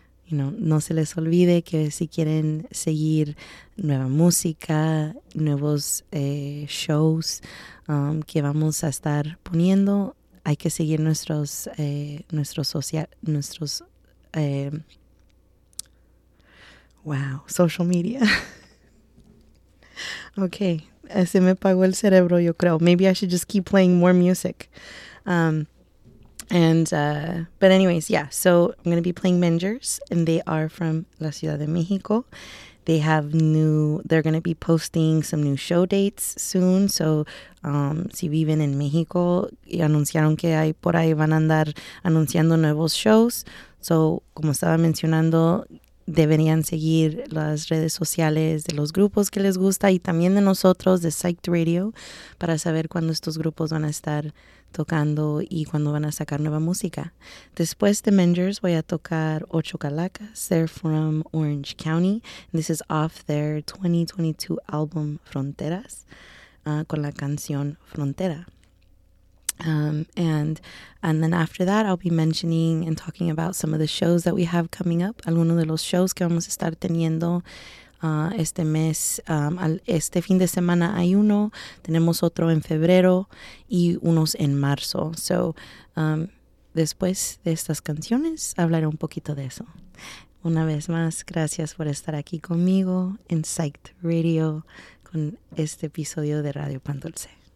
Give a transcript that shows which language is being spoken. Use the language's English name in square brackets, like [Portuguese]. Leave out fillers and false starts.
[Spanish] No se les olvide que si quieren seguir nueva música, nuevos shows que vamos a estar poniendo, hay que seguir social media. Okay, se me apagó el cerebro, yo creo. [English] Maybe I should just keep playing more music. But anyways, yeah, so I'm going to be playing Mangers, and they are from La Ciudad de Mexico. They're going to be posting some new show dates soon, [Spanish] so si viven en Mexico, y anunciaron que hay por ahí van a andar anunciando nuevos shows. So, como estaba mencionando, deberían seguir las redes sociales de los grupos que les gusta y también de nosotros, de Psyched Radio, para saber cuándo estos grupos van a estar tocando y cuándo van a sacar nueva música. Después de Mengers voy a tocar Ocho Calacas. [English] They're from Orange County. This is off their 2022 album Fronteras, [Spanish] con la canción Frontera. [English] And then after that, I'll be mentioning and talking about some of the shows that we have coming up. [Spanish] Algunos de los shows que vamos a estar teniendo este mes, este fin de semana hay uno, tenemos otro en febrero y unos en marzo. So, después de estas canciones, hablaré un poquito de eso. Una vez más, gracias por estar aquí conmigo en Psyched Radio con este episodio de Radio Pan Dulce.